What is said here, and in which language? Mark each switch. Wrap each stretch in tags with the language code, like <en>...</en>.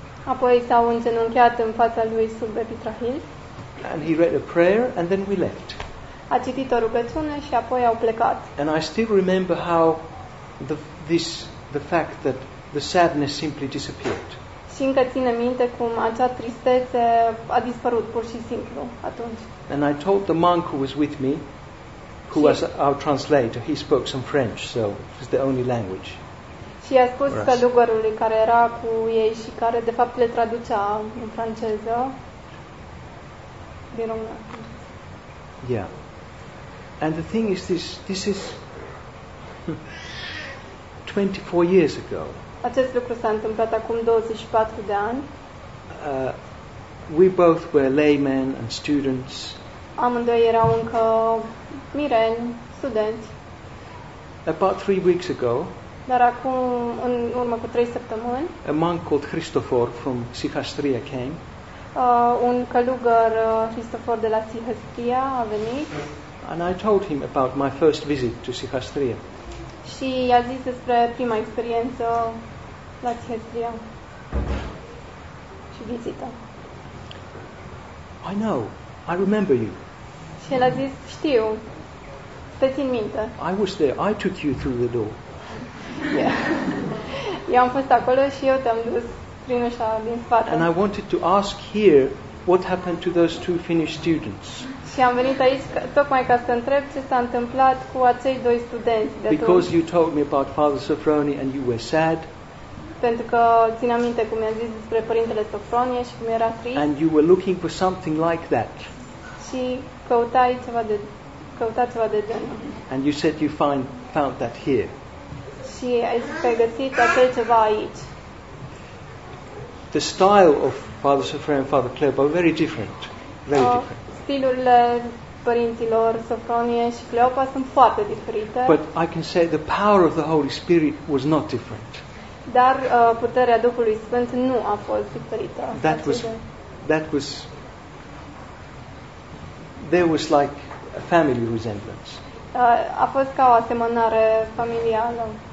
<ro>Apoi s-au îngenunchiat în fața lui sub petrahil.</ro> <en>And he read a prayer and then we left.</en> <ro>A citit o rugăciune și apoi au plecat.</ro> <en>And I still remember how the fact that the sadness simply disappeared.</en> <ro>Și încă țin minte cum acea tristețe a dispărut pur și simplu atunci.</ro> <en>And I told the monk who was with me, who was our translator, he spoke some French, so it was the only language.</en> <ro>Și a spus călugărului care era cu ei și care de fapt le traducea în franceză din română.</ro> <en>Yeah. And the thing is this is 24 years ago.</en> <ro>Acest lucru s-a întâmplat acum 24 de ani.</ro> <en>We both were laymen and students.</en> <ro>Amândoi erau încă mireni, studenți.</ro> <en>About 3 weeks ago.</en> <ro>Dar acum, în urmă cu 3 săptămâni,</ro> <en>a monk called Christopher from Sihastria came.</en> <ro>Un călugăr Christopher de la Sihastria a venit.</ro> <en>And I told him about my first visit to Sihastria.</en> <ro>Și i-a zis despre prima experiență la Sihastria. Și vizita.</ro> <en>I know. I remember you.</en> <ro>Și el a zis, știu. Te țin minte.</ro> <en>I was there. I took you through the door.</en> <ro>Yeah. Eu am fost acolo și eu te-am dus prin ușa din spate.</ro> <en>And I wanted to ask here what happened to those two Finnish students.</en> <ro>Și am venit aici tocmai ca să întreb ce s-a întâmplat cu acei doi studenți de.</ro> <en>Because you told me about Father Sofroni and you were sad.</en> <ro>Pentru că țin aminte cum mi-a zis despre părintele Sofronie și cum era trist.</ro> <en>And you were looking for something like that.</en> <ro>Și căutai ceva de genul.</ro> <en>And you said you found that here.</en> <ro>Și ai zis că ai găsit acel ceva aici.</ro> <en>The style of Father Sofronie and Father Cleob are very different. Very different.</en> <ro>Stilurile părinților Sofronie și Cleopa sunt foarte diferite.</ro> <en>But I can say the power of the Holy Spirit was not different.</en> <ro>Dar puterea Duhului Sfânt nu a fost diferită.</ro> <en>That was there was like a family resemblance.</en> <ro>A fost ca o asemănare familială.</ro>